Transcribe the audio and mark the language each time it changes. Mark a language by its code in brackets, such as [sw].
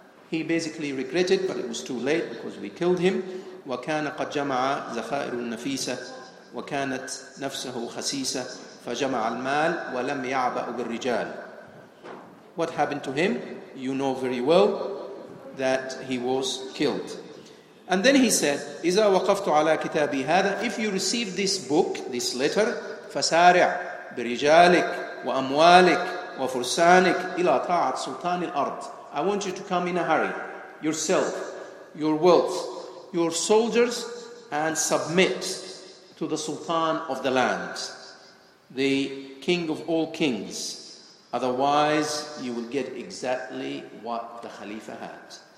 [en] He basically regretted, but it was too late because we killed him. [ar] وَكَانَ قَدْ جَمَعَ زَخَائِرُ النَّفِيسَةِ وَكَانَتْ نَفْسَهُ خَسِيسَةً فَجَمَعَ الْمَالِ وَلَمْ يَعْبَأُ بِالرِّجَالِ. [en] What happened to him? You know very well that he was killed. And then he said, [ar] إِذَا وَقَفْتُ عَلَىٰ كِتَابِي هَذَا. [en] If you receive this book, this letter, [ar] فَسَارِعْ بِرِجَالِكَ وَأَمْوَالِكَ وَفُرْسَانِكَ إِلَىٰ طَاعَةِ سُلْطَانِ الْأَرْضِ. [en] I want you to come in a hurry, yourself, your wealth, your soldiers, and submit to the Sultan of the land, the King of all kings. Otherwise, you will get exactly what the Khalifa had.